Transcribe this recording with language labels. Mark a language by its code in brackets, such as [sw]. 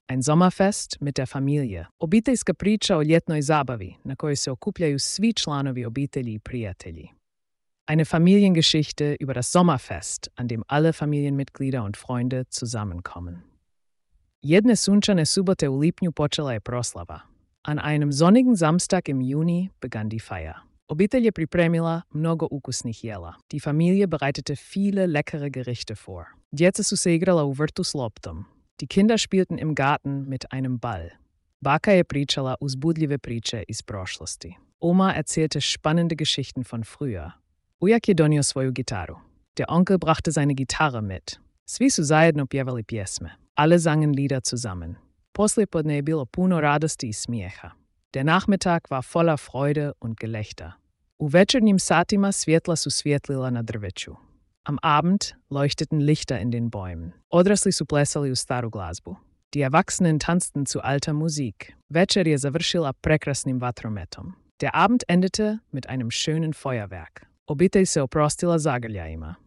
[de] Ein Sommerfest mit der Familie. [hr] Obiteljska priča o ljetnoj zabavi, na kojoj se okupljaju svi članovi obitelji i prijatelji. [de] Eine Familiengeschichte über das Sommerfest, an dem alle Familienmitglieder und Freunde zusammenkommen. [hr] Jedne sunčane subote u lipnju počela je proslava. [de] An einem sonnigen Samstag im Juni begann die Feier. [hr] Obitelj je pripremila mnogo ukusnih jela. [de] Die Familie bereitete viele leckere Gerichte vor. [hr] Djeca su se igrala u vrtu s loptom. [de] Die Kinder spielten im Garten mit einem Ball. [hr] Baka je pričala uzbudljive priče iz prošlosti. [de] Oma erzählte spannende Geschichten von früher. [hr] Ujak je donio svoju gitaru. [de] Der Onkel brachte seine Gitarre mit. [hr] Svi su zajedno pjevali pjesme. [de] Alle sangen Lieder zusammen. [hr] Poslijepodne je bilo puno radosti i smijeha. [de] Der Nachmittag war voller Freude und Gelächter. [hr] U večernjim satima svjetla su svjetlila na drveću. [de] Am Abend leuchteten Lichter in den Bäumen. [hr] Odrasli su plesali u staru glazbu. [de] Die Erwachsenen tanzten zu alter Musik. [hr] Večer je završila prekrasnim vatrometom. [de] Der Abend endete mit einem schönen Feuerwerk. [hr] Obitelj se oprostila zagrljajima.